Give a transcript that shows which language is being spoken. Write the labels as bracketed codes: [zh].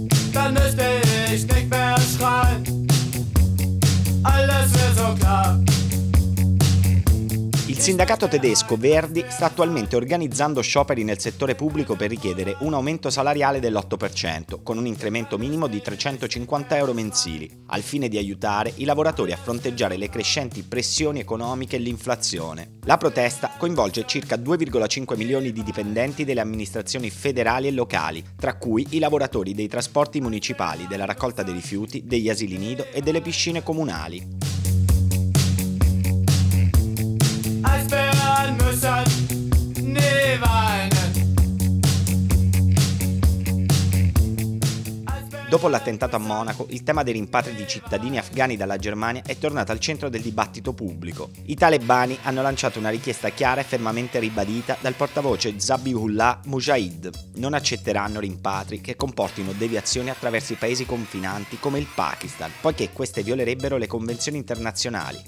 [de] Dann müsste ich nicht mehr schreien, alles wäre so klar. [it] Il sindacato tedesco Verdi sta attualmente organizzando scioperi nel settore pubblico per richiedere un aumento salariale dell'8%, con un incremento minimo di 350 euro mensili, al fine di aiutare i lavoratori a fronteggiare le crescenti pressioni economiche e l'inflazione. La protesta coinvolge circa 2,5 milioni di dipendenti delle amministrazioni federali e locali, tra cui i lavoratori dei trasporti municipali, della raccolta dei rifiuti, degli asili nido e delle piscine comunali. [de] Eisbären müssen nie weinen. [it] Dopo l'attentato a Monaco, il tema dei rimpatri di cittadini afghani dalla Germania è tornato al centro del dibattito pubblico. I talebani hanno lanciato una richiesta chiara e fermamente ribadita dal portavoce Zabihullah Mujahid. Non accetteranno rimpatri che comportino deviazioni attraverso i paesi confinanti come il Pakistan, poiché queste violerebbero le convenzioni internazionali.